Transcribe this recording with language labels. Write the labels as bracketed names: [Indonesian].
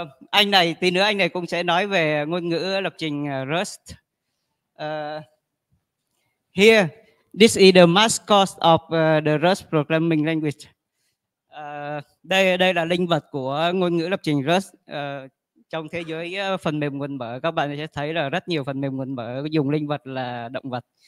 [Vietnamese] anh này, tí nữa anh này cũng sẽ nói về ngôn ngữ lập trình Rust. [English] Here, this is the mascot of the Rust programming language. [Vietnamese] Đây là linh vật của ngôn ngữ lập trình Rust. Trong thế giới phần mềm nguồn mở, các bạn sẽ thấy là rất nhiều phần mềm nguồn mở dùng linh vật là động vật.